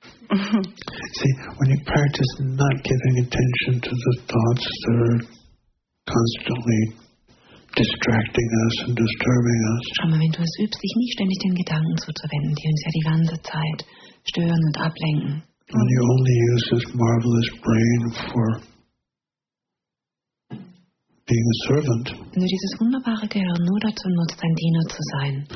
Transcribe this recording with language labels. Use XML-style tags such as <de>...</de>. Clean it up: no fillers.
<en>See, when you practice not giving attention to the thoughts that are constantly distracting us and disturbing us.</en> <de>Schau mal, wenn du es übst, dich nicht ständig den Gedanken zuzuwenden, die uns ja die ganze Zeit stören und ablenken.</de> <en>When you only use this marvelous brain for being a servant.</en> <de>Wenn du dieses wunderbare Gehirn nur dazu nutzt, ein Diener zu sein.</de>